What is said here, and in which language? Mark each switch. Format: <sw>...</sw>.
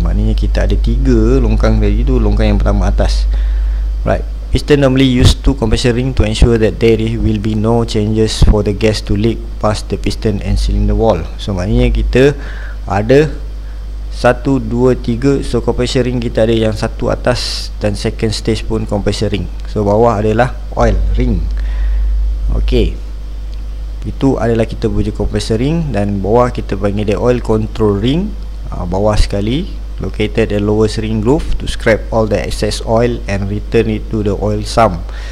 <ms>Maknanya kita ada tiga longkang tadi tu, longkang yang pertama atas.</ms> <en>Right. Piston normally used to compression ring to ensure that there will be no changes for the gas to leak past the piston and cylinder wall.</en> <ms>So maknanya kita ada 1, 2, 3. So compression ring kita ada yang satu atas dan second stage pun compression ring. So bawah adalah oil ring. Okay, itu adalah kita punya compression ring. Dan bawah kita panggil dia oil control ring. Bawah sekali,</ms> <en>located the lowest ring groove to scrape all the excess oil and return it to the oil sump.</en>